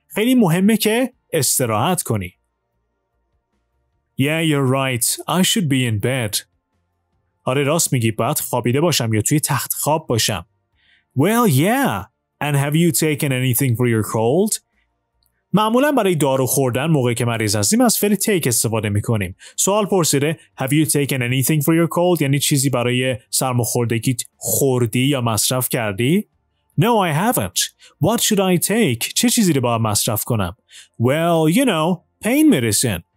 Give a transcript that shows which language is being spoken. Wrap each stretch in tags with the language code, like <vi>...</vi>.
<fa>خیلی مهمه که استراحت کنی.</fa> <en>Yeah, you're right. I should be in bed.</en> <fa>آره راست میگی، باید خوابیده باشم یا توی تخت خواب باشم.</fa> <en>Well, yeah. And have you taken anything for your cold?</en> <fa>معمولا برای دارو خوردن موقعی که مریض هستیم از فعل take استفاده میکنیم. سوال پرسیده</fa> <en>Have you taken anything for your cold؟</en> <fa>یعنی چیزی برای سرماخوردگی خوردی یا مصرف کردی؟</fa> <en>No, I haven't. What should I take؟</en> <fa>چه چیزی رو باید مصرف کنم؟</fa> <en>Well, you know, pain medicine.</en>